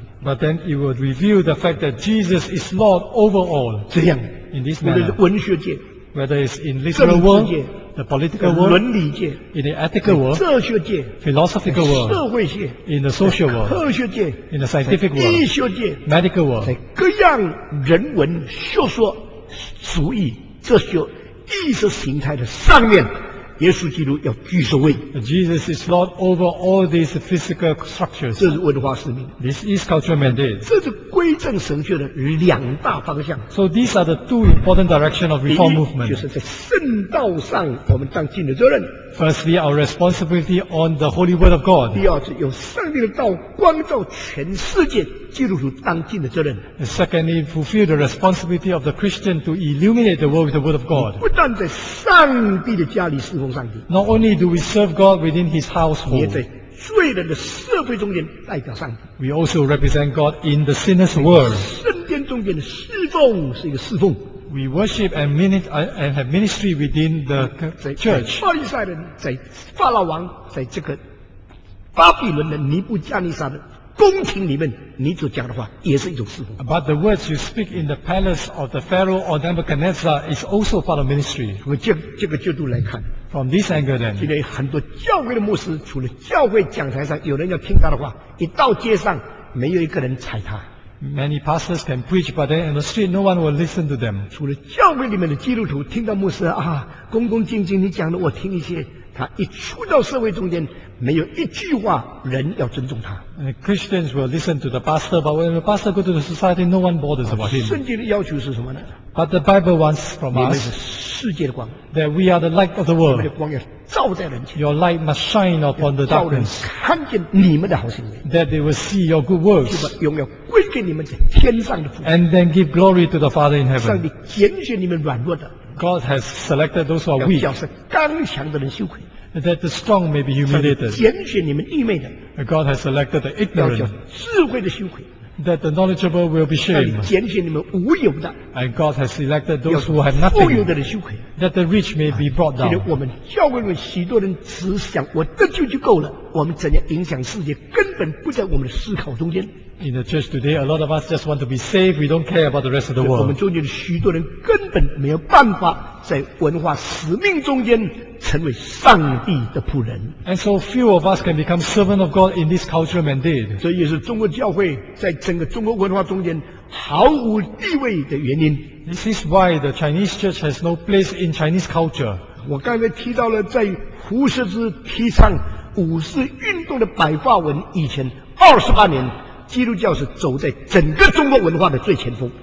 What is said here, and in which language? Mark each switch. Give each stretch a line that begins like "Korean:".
English: But then it will reveal the fact that Jesus is Lord over all.
Chinese: 这样
English: in this manner,
Chinese: 文学界
English: Whether it's in literal world, the political world,
Chinese: 伦理界
English: in the ethical world,
Chinese: 哲学界
English: philosophical world,
Chinese: 社会界
English: in the social world,
Chinese: 科学界
English: in the scientific world,
Chinese: 医学界
English: medical world,
Chinese: 在各样人文、学说、主义这些意识形态的上面，耶稣基督要居首位。
English: Jesus is Lord over all these physical structures.
Chinese: 这是文化使命。
English: This is cultural mandate.
Chinese: 这是归正神学的两大方向。
English: So these are the two important directions of reform movement.
Chinese: 就是在圣道上我们当尽的责任。
English: Firstly, our responsibility on the Holy Word of God.
Chinese: 第二是有上帝的道光照全世界基督徒当尽的责任。
English: And secondly, fulfill the responsibility of the Christian to illuminate the world with the Word of God.
Chinese: 不但在上帝的家里侍奉上帝。
English: Not only do we serve God within His household.
Chinese: 也在罪人的社会中间代表上帝。
English: We also represent God in the sinner's world.
Chinese: 圣殿中间的侍奉是一个侍奉。
English: We worship and have ministry within the church.
Chinese: 巴利赛人在法老王在这个巴比伦的尼布加尼撒的宫廷里面，你所讲的话也是一种侍奉。
English: But the words you speak in the palace of the Pharaoh or Nebuchadnezzar is also part of ministry.
Chinese: 从这个角度来看
English: ，From this angle then，
Chinese: 今天很多教会的牧师，除了教会讲台上有人要听他的话，一到街上没有一个人睬他。
English: Many pastors can preach, but then in the street, no one will listen to them.
Chinese: 除了教会里面的基督徒听到牧师啊，恭恭敬敬你讲的，我听一些，他一出到社会中间，没有一句话人要尊重他。
English: Christians will listen to the pastor, but when the pastor goes to the society, no one bothers about him.
Chinese: 圣经的要求是什么呢？
English: But the Bible wants from us.
Chinese: 你们是世界的光。
English: That we are the light of the world.
Chinese: 你们的光要照在人前。
English: Your light must shine upon the darkness.
Chinese: 看见你们的好行为。
English: That they will see your good works.
Chinese: 就把荣耀归给你们天上的父。
English: And then give glory to the Father in heaven.
Chinese: 上帝拣选你们软弱的。
English: God has selected those who are weak.
Chinese: 要是刚强的人羞愧。
English: That the strong may be humiliated.
Chinese: 拣选你们愚昧的。
English: God has selected the ignorant.
Chinese: 要叫智慧的羞愧。
English: That the knowledgeable will be shamed.
Chinese: 拣选你们无有的。
English: And God has selected those who have nothing.
Chinese: 富有的人羞愧。
English: That the rich may be brought down.
Chinese: 因为我们教会里面许多人只想我得救就够了，我们怎样影响世界根本不在我们的思考中间。
English: In the church today, a lot of us just want to be saved. We don't care about the rest of the world.
Chinese: 我们中间的许多人根本没有办法在文化使命中间成为上帝的仆人。
English: And so few of us can become servant of God in this cultural mandate.
Chinese: 这也是中国教会在整个中国文化中间毫无地位的原因。
English: This is why the Chinese church has no place in Chinese culture.
Chinese: 我刚才提到了在胡适之提倡五四运动的白话文以前28年。基督教是走在整个中国文化的最前锋。